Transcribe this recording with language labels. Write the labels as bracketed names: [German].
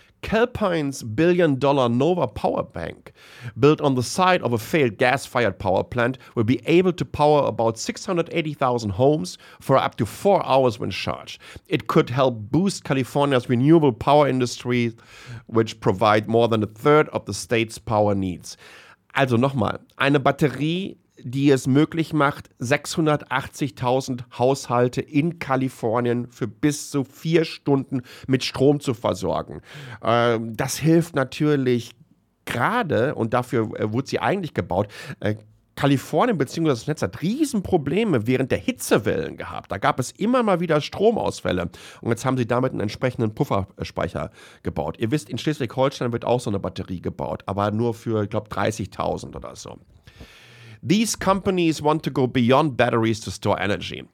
[English] Calpine's billion-dollar Nova Power Bank, built on the site of a failed gas-fired power plant, will be able to power about 680,000 homes for up to 4 hours when charged. It could help boost California's renewable power industry, which provide more than a third of the state's power needs. [German] Also nochmal, eine Batterie, die es möglich macht, 680.000 Haushalte in Kalifornien für bis zu 4 Stunden mit Strom zu versorgen. Das hilft natürlich gerade, und dafür wurde sie eigentlich gebaut, Kalifornien bzw. das Netz hat Riesenprobleme während der Hitzewellen gehabt. Da gab es immer mal wieder Stromausfälle. Und jetzt haben sie damit einen entsprechenden Pufferspeicher gebaut. Ihr wisst, in Schleswig-Holstein wird auch so eine Batterie gebaut, aber nur für, ich glaube, 30.000 oder so. [English] These companies want to go beyond batteries to store energy.